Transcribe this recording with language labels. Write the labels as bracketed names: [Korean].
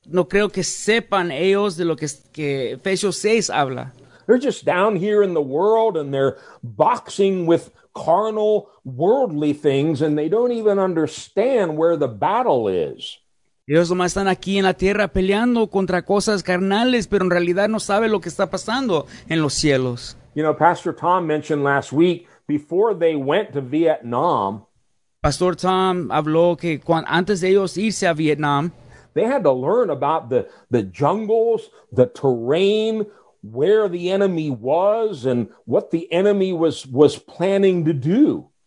[Spanish] No creo que sepan ellos de lo que Efesios 6 habla. [English] They're just down here in the world and they're boxing with carnal, worldly things and they don't even understand where the battle is. [Spanish] Ellos nomás están aquí en la tierra peleando contra cosas carnales, pero en realidad no saben lo que está pasando en los cielos. [English] You know, Pastor Tom mentioned last week, before they went to Vietnam, [Spanish] Pastor Tom habló que antes de ellos irse a Vietnam, [English] they had to learn about the jungles, the terrain, where the enemy was, and what the enemy was planning to do.